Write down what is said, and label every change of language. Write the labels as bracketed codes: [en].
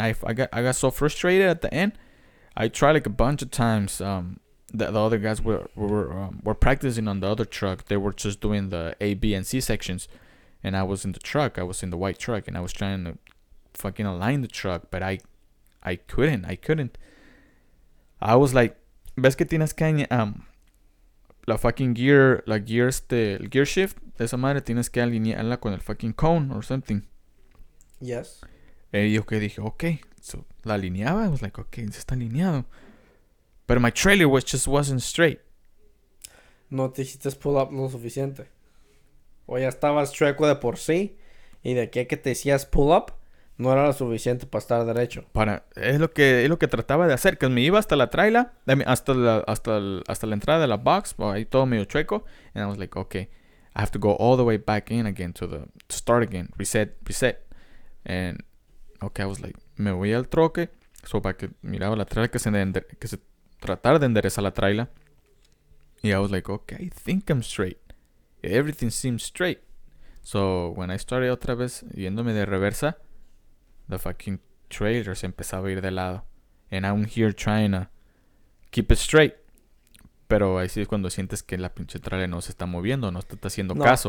[en] I got so frustrated at the end. I tried like a bunch of times. The other guys were practicing on the other truck. They were just doing the A, B, and C sections. And I was in the truck. I was in the white truck. And I was trying to fucking align the truck. But I couldn't. I was like, [es] ¿ves que tienes que la fucking gear, la gear el gear shift? De esa madre, tienes que alinearla con el [en] fucking cone or something. Yes. [es] Y yo que dije, okay. So, la alineaba. [en] I was like, okay, [es] se está alineado. [en] But my trailer wasn't straight. [es] No te hiciste pull up lo suficiente. O ya estabas chueco de por sí. Y de aquí que te decías pull up, no era lo suficiente para estar derecho. Es lo que trataba de hacer. Que me iba hasta la traila, hasta la entrada de la box. Ahí todo medio chueco. [en] And I was like, okay, I have to go all the way back in again to start again. Reset. And okay, I was like, [es] me voy al troque. So para que miraba la traila, que se tratara de enderezar la traila. [en] Y I was like, okay, I think I'm straight. Everything seems straight. So when I started [es] otra vez yéndome de reversa, [en] the fucking trailer [es] se empezaba a ir de lado. [en] And I'm here trying to keep it straight. [es] Pero ahí sí es cuando sientes que la pinche trailer no se está moviendo, no está haciendo caso.